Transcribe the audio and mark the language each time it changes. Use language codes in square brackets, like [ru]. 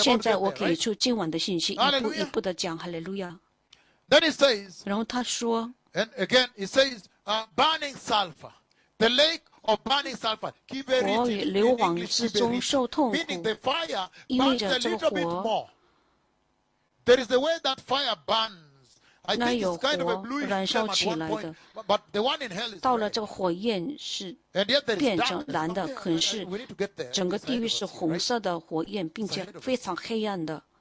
[zh] 现在我给出今晚的信息，一步一步的讲，哈利路亚。 [en] Then he says, [zh] 然后他说 [en] and again he says, burning sulfur, the lake of burning sulfur, [zh] 火与硫磺之中受痛苦，意味着这个火。 [en] There is a way that fire burns. [zh] 那有火燃烧起来的，到了这个火焰是变成蓝的，可是整个地狱是红色的火焰，并且非常黑暗的。